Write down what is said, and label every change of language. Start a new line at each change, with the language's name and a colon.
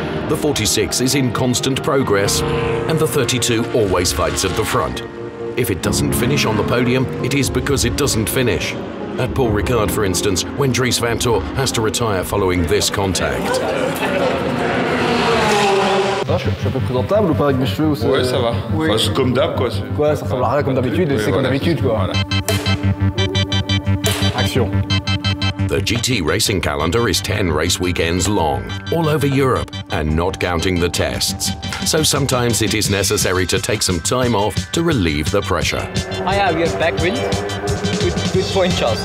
English: The 46 is in constant progress, and the 32 always fights at the front. If it doesn't finish on the podium, it is because it doesn't finish. At Paul Ricard, for instance, when Dries Van Tor has to retire following this contact.
French: Je suis un peu présentable ou pas avec mes cheveux? Ouais, ça va. Enfin, c'est comme d'hab, quoi. Quoi, ça ressemble à rien comme d'habitude, c'est comme d'habitude, quoi.
English: Action. The GT racing calendar is 10 race weekends long, all over Europe, and not counting the tests. So sometimes it is necessary to take some time off to relieve the pressure. Ah yeah, we have back wind. Good point, Charles.